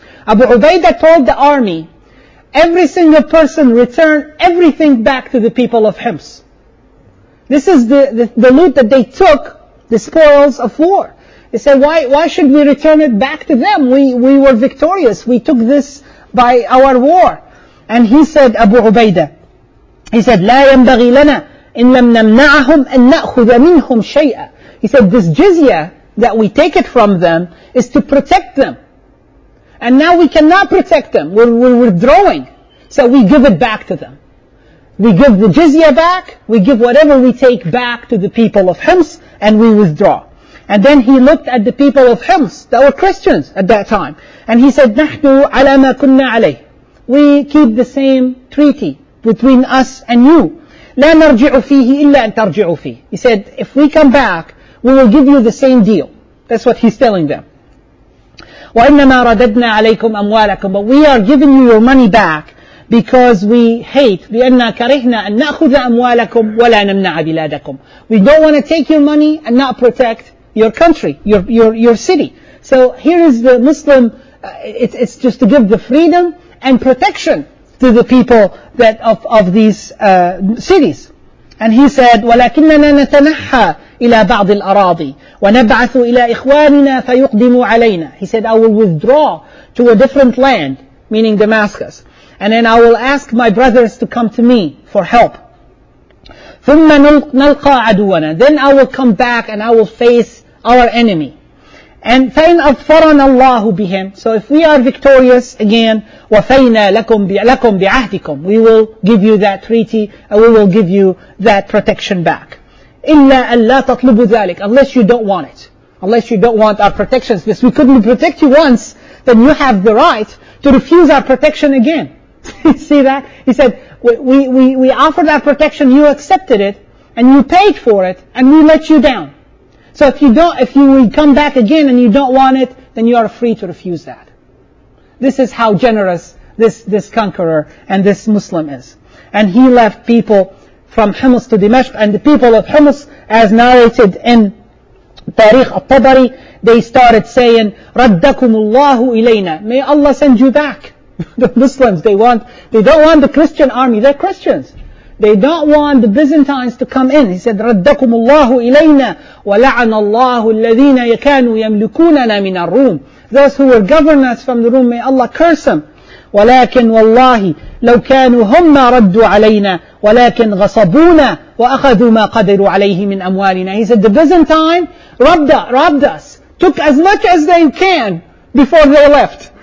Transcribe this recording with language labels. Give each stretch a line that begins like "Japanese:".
English: Abu Ubaidah told the army, every single person return everything back to the people of Hims. This is the loot that they took, the spoils of war. They said, why should we return it back to them? We were victorious. We took this by our war. And he said, Abu Ubaidah, he said,
Arabic: لا ينبغي لنا إن لم نمنعهم أن نأخذ منهم شيئا.
English: He said, this jizya that we take it from them is to protect them. And now we cannot protect them. We're withdrawing. So we give it back to them. We give the jizya back. We give whatever we take back to the people of Hims and we withdraw. And then he looked at the people of Hims that were Christians at that time. And he said,
Arabic: نحن على ما كنا عليه.
English: We keep the same treaty between us and you.
Arabic: لا نرجع فيه إلا أن ترجعوا فيه.
English: He said, if we come back, we will give you the same deal. That's what he's telling them.
Arabic: وَإِنَّمَا رَدَدْنَا عَلَيْكُمْ أَمْوَالَكُمْ.
English: But we are giving you your money back because we hate.
Arabic: لِأَنَّا كَرِهْنَا أَن نَأْخُذَ أَمْوَالَكُمْ وَلَا نَمْنَعَ بِلَادَكُمْ.
English: We don't want to take your money and not protect your country, your city. So here is the Muslim, it's just to give the freedom and protection to the people that of these cities. And he said,
Arabic: وَلَكِنَّنَا نَتَنَحَّى إِلَى بَعْضِ الْأَرَاضِي وَنَبْعَثُ إِلَىٰ إِخْوَانِنَا فَيُقْدِمُوا عَلَيْنَا.
English: He said, I will withdraw to a different land, meaning Damascus. And then I will ask my brothers to come to me for help.
Arabic: ثُمَّ نَلْقَى عَدُوَنَا.
English: Then I will come back and I will face our enemy. And
Arabic: فَإِنْ أَظْفَرَنَا اللَّهُ بِهِمْ.
English: So if we are victorious again,
Arabic: وَفَيْنَا لَكُمْ بِعَهْدِكُمْ.
English: We will give you that treaty and we will give you that protection back.
Arabic: إِلَّا أَلَّا تَطْلُبُ ذَلِكَ.
English: Unless you don't want it. Unless you don't want our protections. Because we couldn't protect you once, then you have the right to refuse our protection again. See that? He said, we offered our protection, you accepted it, and you paid for it, and we let you down. So if we come back again and you don't want it, then you are free to refuse that. This is how generous this conqueror and this Muslim is. And he left people from Hims to Dimashq, and the people of Hims, as narrated in Tariq al-Tabari, they started saying,
Arabic: رَدَّكُمُ اللَّهُ إِلَيْنَا.
English: May Allah send you back. The Muslims, they don't want the Christian army. They're Christians. They don't want the Byzantines to come in. He said,
Arabic: رَدَّكُمُ اللَّهُ إِلَيْنَا وَلَعَنَ اللَّهُ الَّذِينَ يَكَانُوا يَمْلِكُونَنَا مِنَ الرُّومِ.
English: Those who will govern us from the room, may Allah curse them.
Arabic: وَلَكِنْ وَاللَّهِ لَوْ كَانُوا هُمَّا رَدُّوا عَلَيْنَا وَلَكِنْ غَصَبُونَا وَأَخَذُوا مَا قَدِرُوا عَلَيْهِ مِنْ أَمْوَالِنَا.
English: He said, the Byzantine robbed us, took as much as they can before they left.